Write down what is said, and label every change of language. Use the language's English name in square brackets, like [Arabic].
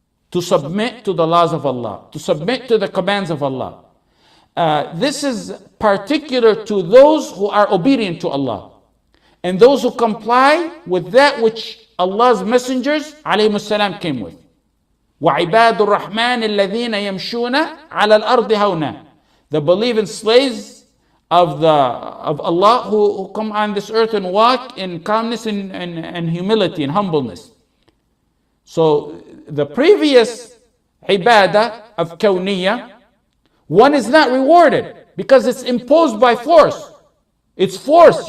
[English] To submit to the laws of Allah. To submit to the commands of Allah. This is particular to those who are obedient to Allah. And those who comply with that which Allah's messengers, alayhi salam, came with. [Arabic] وعباد الرحمن الذين يمشون على الأرض هونا. [English] The believing slaves of Allah who come on this earth and walk in calmness and humility and humbleness. So the previous ibadah of kawniyya, one is not rewarded because it's imposed by force. It's force.